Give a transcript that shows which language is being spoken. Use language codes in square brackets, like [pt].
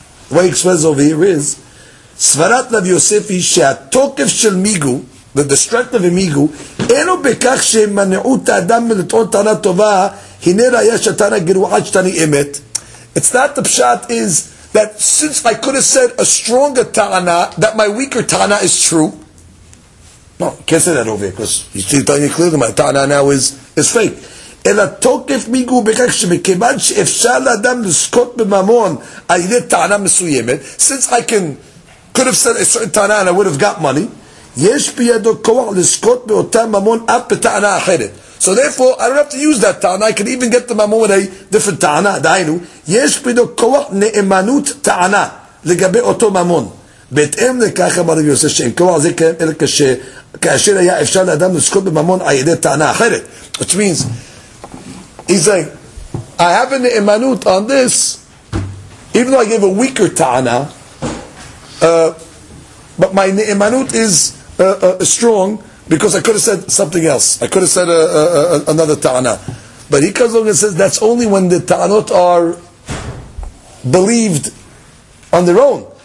[en] The way he explains over here is, Svarat Rabbi Yosef is she'atokef shel migu, the strength of Amigu, [he] אינו בכך שמנעו את האדם מלטעון טענה טובה, הנה ראיה שטענה גרועת שטעני אמת. [en] It's not the pshat is that since I could have said a stronger טענה, that my weaker טענה is true. No, you can't say that over here, because you see, telling you clearly, my טענה now is fake. [he] אלא תוקף מיגו בכך שמכיוון שאפשר לאדם לזכות בממון, על ידי טענה מסוימת, [en] since I could have said a certain טענה and I would have got money, [he] יש בידו כוח לזכות באותה ממון אף בטענה אחרת. [en] So therefore, I don't have to use that טענה, I can even get the ממון with a different טענה, דהיינו. [he] יש בידו כוח נאמנות טענה לגבי אותו ממון. בהתאם לכך אמרו יוסף שאין כוח זה קיים אלא כאשר היה אפשר לאדם לזכות בממון על ידי טענה אחרת. [en] Which means, he's like, I have a נאמנות on this, even though I gave a weaker טענה, but my נאמנות is strong, because I could have said something else. I could have said another ta'ana. But he comes along and says, that's only when the ta'anot are believed on their own.